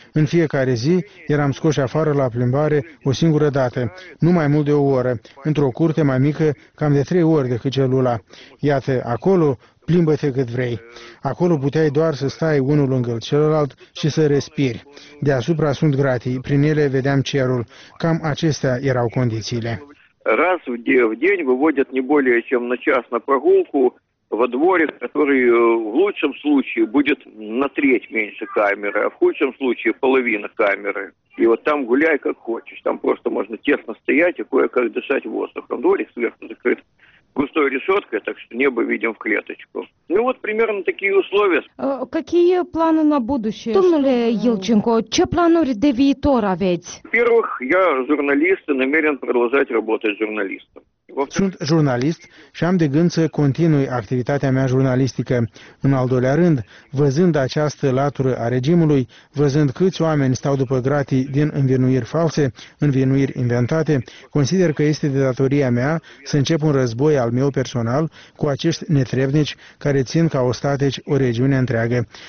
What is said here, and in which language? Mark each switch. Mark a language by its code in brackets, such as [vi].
[ro] În fiecare zi eram scoși afară la plimbare o singură dată, nu mai mult de o oră, într-o curte mai mică, cam de 3 ori decât celula. Iată, acolo plimbă-te cât vrei. Acolo puteai doar să stai unul lângă celălalt și să respiri. Deasupra sunt gratii, prin ele vedeam cerul. Cam acestea erau condițiile. [ru] Раз в день выводят не более чем на час на прогулку во дворе, который в лучшем случае будет на треть меньше камеры, а в худшем случае половина камеры. И вот там гуляй как хочешь, там просто можно тесно стоять и кое-как дышать воздухом. Дворик сверху закрыт густой решеткой, так что небо видим в клеточку. Ну вот примерно такие условия. Какие планы на будущее? [ro] Думали, Ельченко, че планы де виитора ведь? [ru] Во-первых, я журналист и намерен продолжать работать журналистом. [ro] Sunt jurnalist și am de gând să continui activitatea mea jurnalistică. În al doilea rând, văzând această latură a regimului, văzând câți oameni stau după gratii din învinuiri false, învinuiri inventate, consider că este de datoria mea să încep un război al meu personal cu acești netrebnici care țin ca ostateci o regiune întreagă.